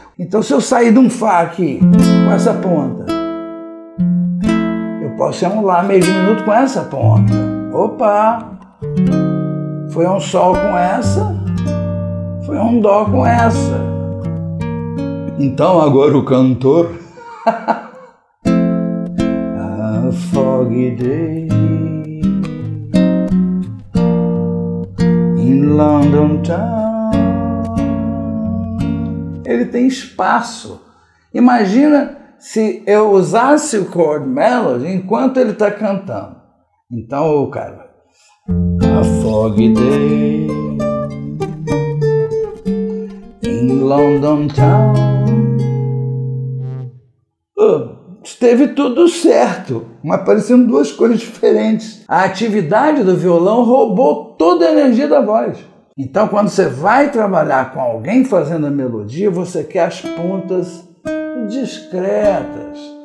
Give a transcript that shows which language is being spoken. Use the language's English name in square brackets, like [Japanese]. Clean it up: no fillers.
[Portuguese] Então se eu sair de um Fá aqui com essa ponta, eu posso ser um Lá meio diminuto com essa ponta. Opa! Foi um Sol com essa, foi um Dó com essa. Então agora o cantor. [English] A foggy day in London town. [Portuguese] Ele tem espaço. Imagina se eu usasse o chord melody enquanto ele está cantando. Então, o cara. [English] A foggy day in London town. [Portuguese] Esteve tudo certo, mas parecendo duas coisas diferentes. A atividade do violão roubou toda a energia da voz. Então, quando você vai trabalhar com alguém fazendo a melodia, você quer as pontas discretas.